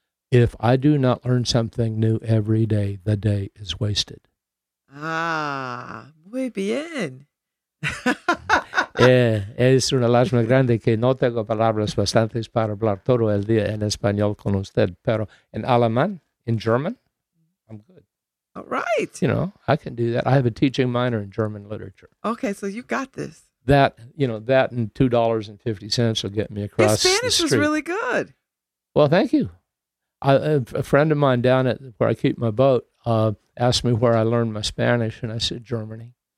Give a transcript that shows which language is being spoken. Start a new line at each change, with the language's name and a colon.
English: If I do not learn something new every day, the day is wasted.
Spanish: Ah, muy bien. Es una lástima grande que no tengo palabras bastantes para hablar todo el día en español con usted, pero en alemán,
English: in German, I'm good. All right. You know, I can do that. I have a teaching minor in German literature. Okay, so you got this. That, you know, that and $2.50 will get me across the street. His Spanish was really good. Well, thank you. A friend of mine down at where I keep my boat asked me where I learned my Spanish, and I said Germany.